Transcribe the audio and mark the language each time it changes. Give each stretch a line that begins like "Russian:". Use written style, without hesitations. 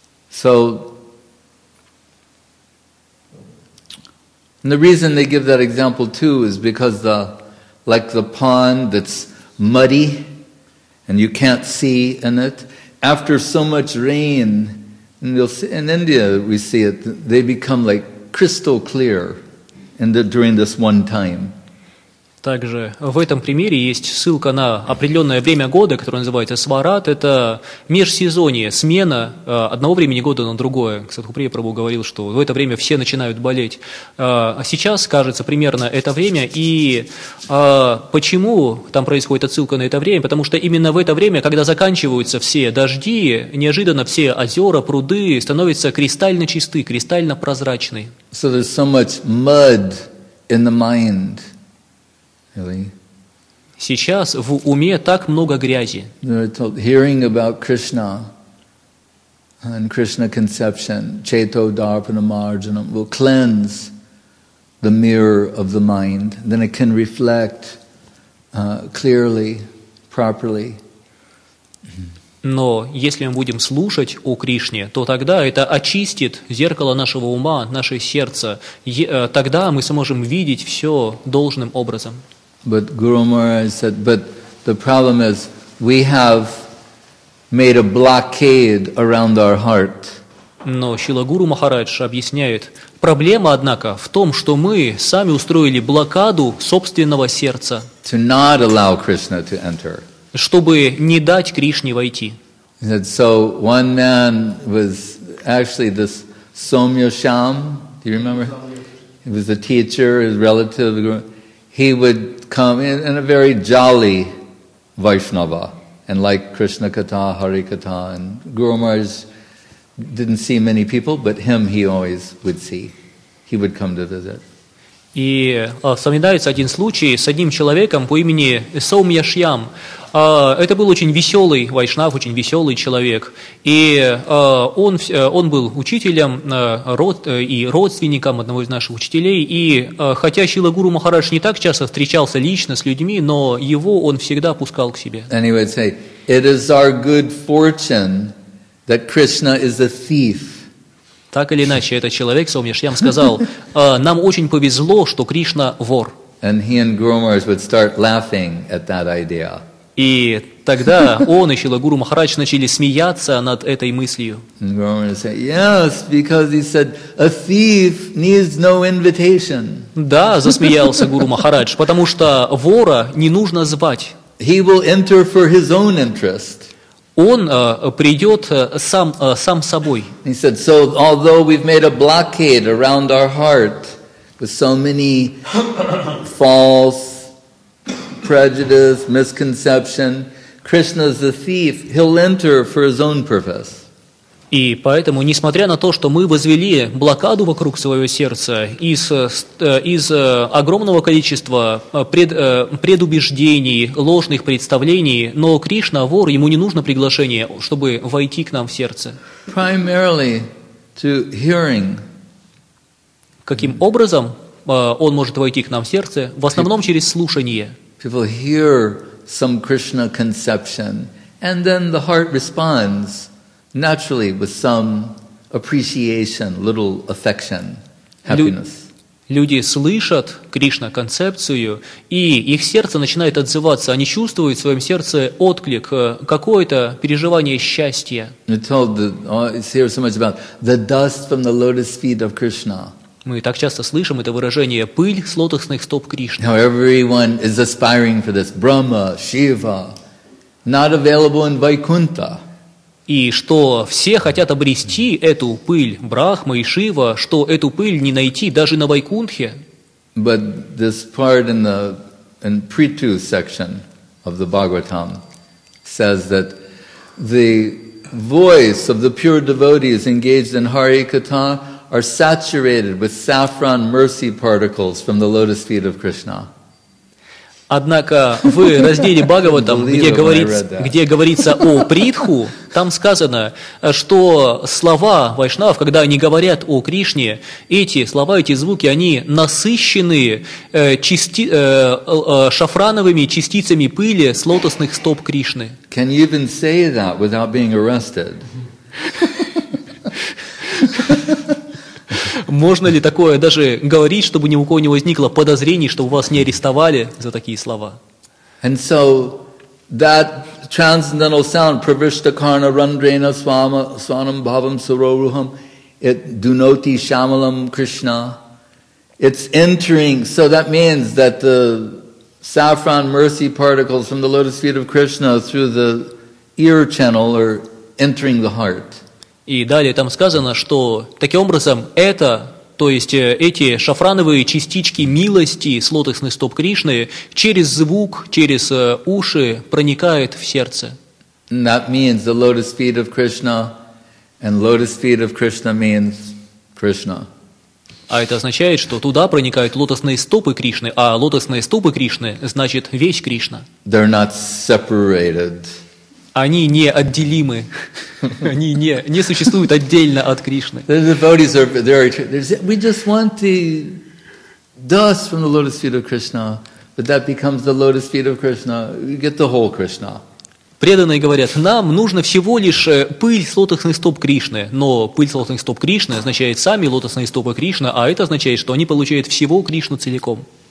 English: So, and the reason they give that example too is because the, like the pond that's muddy and you can't see in it, after so much rain, and you'll see, in India we see it, they become like crystal clear in the, during this one time.
Russian: Также в этом примере есть ссылка на определенное время года, которое называется сварат. Это межсезонье, смена одного времени года на другое. Ксатхуприя Прабху говорил, что в это время все начинают болеть. А сейчас, кажется, примерно это время. И почему там происходит отсылка на это время? Потому что именно в это время, когда заканчиваются все дожди, неожиданно все озера, пруды становятся кристально чисты, кристально прозрачны.
English: So there's so much mud in the mind.
Russian: Сейчас в уме так много грязи.
English: Hearing about Krishna and Krishna conception,
Sanskrit: Cheto Dharpana Marjanam
English: will cleanse the mirror of the mind, then it can reflect clearly, properly.
Russian: Но если мы будем слушать о Кришне, то тогда это очистит зеркало нашего ума, наше сердце. Тогда мы сможем видеть все должным образом.
English: But Guru Maharaj said, but the problem is we have made a blockade around our heart.
Russian: Но Шрила Гуру Махарадж объясняет, проблема, однако, в том, что мы сами устроили блокаду собственного сердца.
English: To not allow Krishna to enter.
Russian: Чтобы не дать Кришне войти.
English: He said, so one man was actually this Somya Sham, do you remember? He was a teacher, his relative. He would come in a very jolly Vaishnava and like Krishna Katha, Hari Katha, and Guru Maharaj didn't see many people, but him he always would see. He would come to visit.
Russian: И вспоминается один случай с одним человеком по имени Саумья Шьям. Это был очень веселый вайшнав, очень веселый человек. И он был учителем и родственником одного из наших учителей. И хотя Шрила Гуру Махарадж не так часто встречался лично с людьми, но его он всегда пускал к себе.
English: And he would say, it is our good fortune that Krishna is a thief.
Russian: Так или иначе, этот человек, Саумья Шьям, сказал, нам очень повезло, что Кришна вор.
English: And he and Guru Maharaj would start laughing at that idea.
Russian: И тогда он и Шрила Гуру Махарадж начали смеяться над этой мыслью.
English: And Guru Maharaj would say, yes, because he said, a thief needs no invitation.
Russian: Да, засмеялся Гуру Махарадж, потому что вора не нужно звать.
English: He will enter for his own interest.
Russian: Он придет сам, сам собой.
English: He said, so although we've made a blockade around our heart with so many false prejudice, misconception, Krishna's a thief, he'll enter for his own purpose.
Russian: И поэтому, несмотря на то, что мы возвели блокаду вокруг своего сердца из огромного количества предубеждений, ложных представлений, но Кришна, вор, ему не нужно приглашение, чтобы войти к нам в сердце.
English: Primarily to hearing.
Russian: Каким образом он может войти к нам в сердце? В основном через слушание.
English: People hear some Krishna conception, and then the heart responds. Naturally, with some appreciation, little affection, happiness.
Russian: Люди слышат Кришна-концепцию, и их сердце начинает отзываться. Они чувствуют в своем сердце отклик, какое-то переживание счастья.
English: Hear so much about the dust from the lotus feet of Krishna.
Russian: Мы так часто слышим это выражение «пыль с лотосных стоп Кришны».
English: Now everyone is aspiring for this. Brahma, Shiva, not available in Vaikuntha.
Russian: И что все хотят обрести эту пыль Брахма и Шива, что эту пыль не найти даже на Вайкунтхе.
English: But this part in the Prithu section of the Bhagavatam says that the voice of the pure devotees engaged in Hari Katha are saturated with saffron mercy particles from the lotus feet of Krishna.
Russian: Однако в разделе Бхагаватам, где говорится о Притху, там сказано, что слова вайшнав, когда они говорят о Кришне, эти слова, эти звуки, они насыщены шафрановыми частицами пыли с лотосных стоп Кришны.
English: Can you even say that without being arrested?
Russian: Можно ли такое даже говорить, чтобы ни у кого не возникло подозрений, чтобы вас не арестовали за такие слова?
English: And so that transcendental sound,
Sanskrit: pravishta karna randrena swama swanam bhavam saroruham, it dunoti shamalam Krishna.
English: It's entering. So that means that the saffron mercy particles from the lotus feet of Krishna through the ear channel are entering the heart.
Russian: И далее там сказано, что таким образом это, то есть эти шафрановые частички милости с лотосных стоп Кришны через звук, через уши проникает в сердце.
English: And that means the lotus feet of Krishna, and lotus feet of Krishna means Krishna.
Russian: А это означает, что туда проникают лотосные стопы Кришны, а лотосные стопы Кришны значит весь Кришна.
English: They're not separated.
Russian: Они не отделимы. Они не существуют отдельно от Кришны.
English: The devotees are there. We just want the dust from the lotus feet of Krishna, but that becomes the lotus feet of Krishna. We get the whole Krishna.
Russian: Преданные говорят, нам нужно всего лишь пыль с лотосных стоп Кришны, но пыль с лотосных стоп Кришны означает сами лотосные стопы Кришны, а это означает, что они получают всего Кришну целиком.